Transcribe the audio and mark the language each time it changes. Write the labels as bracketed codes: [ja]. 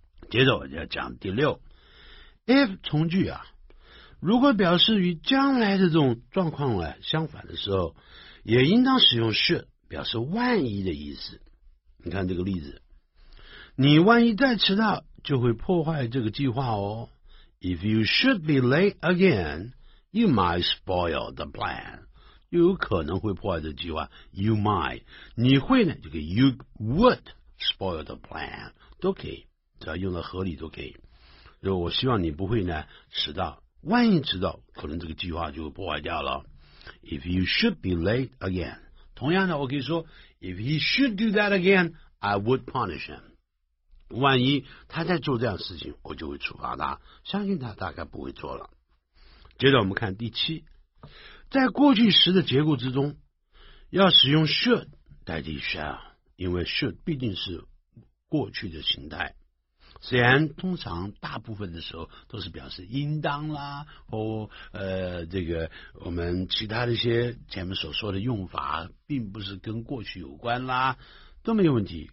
[zh] 接着我就要讲第六 if 从句啊，如果表示与将来的这种状况啊相反的时候，也应当使用 should 表示万一的意思。你看这个例子，你万一再迟到就会破坏这个计划哦。 [en] If you should be late again, you might spoil the plan. [zh] 有可能会破坏这个计划。 You might, 你会呢，这个 you would spoil the plan 都可以，只要用的合理都可以。如果我希望你不会呢迟到，万一迟到可能这个计划就破坏掉了。 [en] If you should be late again, 同样的我可以说 If he should do that again, I would punish him. [zh] 万一他在做这样的事情，我就会处罚他，相信他大概不会做了。接着我们看第七，在过去时的结构之中要使用 should 代替 shall， 因为 should 毕竟是过去的形态，虽然通常大部分的时候都是表示应当啦，或这个我们其他的一些前面所说的用法并不是跟过去有关啦，都没有问题。